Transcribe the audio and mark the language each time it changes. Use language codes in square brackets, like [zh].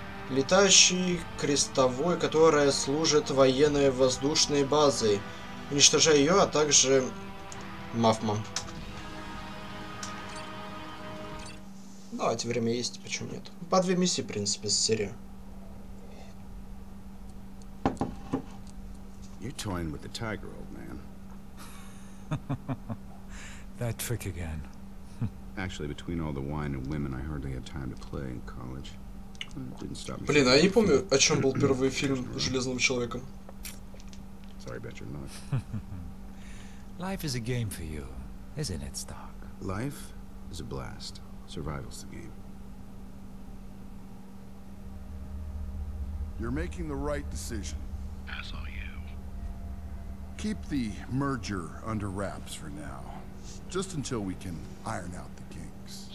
[ru] Летающий крестовой, которая служит военной воздушной базой. Уничтожая ее, а также Мафма. Давайте, время есть, почему нет? По две миссии, в принципе, с серии. [en] You're toying with the tiger, old man. That trick again. Actually, between all the wine and women, I hardly had time to play in college. Didn't stop me. [ru] Блин, а я не помню, о чем был первый фильм Железного человека. [en] Sorry about your luck. Life is a game for you, isn't it, Stark? Life is a blast. Survival's the game. You're making the right decision. As are you. Keep the merger under wraps for now. Just until we can iron out the kinks.